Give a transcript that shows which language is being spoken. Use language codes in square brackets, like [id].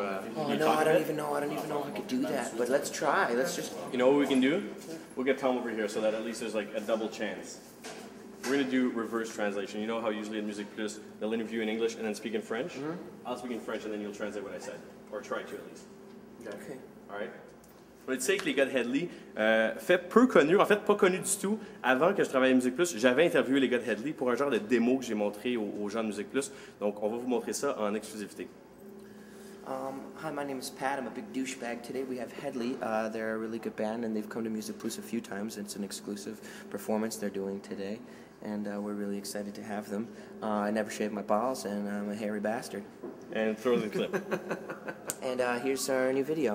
[en] I don't even know if I could do that, but let's try. Let's just... You know what we can do? We'll get Tom over here so that at least there's, like, a double chance. We're gonna do reverse translation. You know how usually in Musique Plus, they'll interview in English and then speak in French? Mm-hmm. I'll speak in French and then you'll translate what I said. Or try to at least. Okay. Alright. [fr] Je voulais te dire que les gars de Hedley, fait peu connu, en fait pas connu du tout, avant que je travaille à Musique Plus, j'avais interviewé les gars de Hedley pour un genre de démo que j'ai montré aux gens de Musique Plus. Donc on va vous montrer ça en exclusivité. [en] Hi, my name is Pat. I'm a big douchebag. Today we have Hedley. They're a really good band and they've come to Musique Plus a few times. It's an exclusive performance they're doing today. And we're really excited to have them. I never shave my balls, and I'm a hairy bastard. And throw the clip. And here's our new video.